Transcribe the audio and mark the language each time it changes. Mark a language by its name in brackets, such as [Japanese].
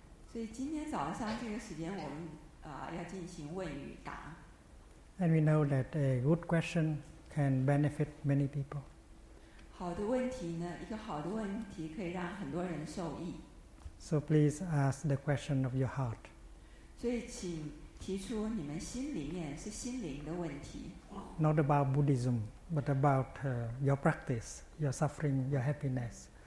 [Chinese] 所以今天早上这个时间我们要进行问与答。 [English] And we know that a good question can benefit many people. [Chinese] 好的问题呢，一个好的问题可以让很多人受益。 [English] So please ask the question of your heart. [Chinese] 所以请 提出你们心里面是心灵的问题， [English] not about Buddhism, but about your practice, your suffering, your happiness.